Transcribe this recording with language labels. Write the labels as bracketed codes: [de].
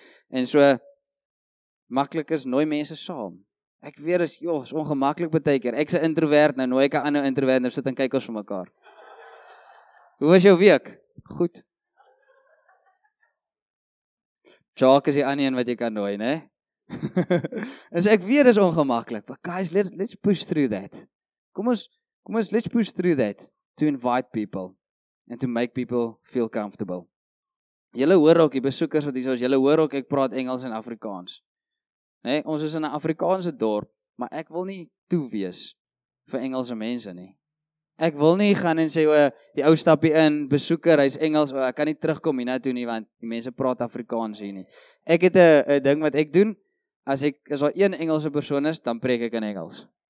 [af] En so maklik is nooi mense saam. Ek weet is ongemaklik baie keer. Ek's 'n introvert, nou nooi ek 'n ander introvert, nou sit en kyk ons vir mekaar. Hoe was jou week? Goed. Jock is die ander een wat jy kan nooi, né? En so ek weet is ongemaklik, [en] but guys, let's push through that. [af] Kom ons [en] let's push through that to invite people and to make people feel comfortable. [af] Julle hoor ook die besoekers wat hier is, julle hoor ook ek praat Engels en Afrikaans. Nê, ons is in 'n Afrikaanse dorp, maar ek wil nie toe wees vir Engelse mense nie. Ek wil nie gaan en sê o, die ou stappie in, besoeker, hy's Engels, o, ek kan nie terugkom hiernatoe nie want die mense praat Afrikaans hier nie. Ek het 'n ding wat ek doen. As daar een Engelse persoon is, dan preek ek in Engels.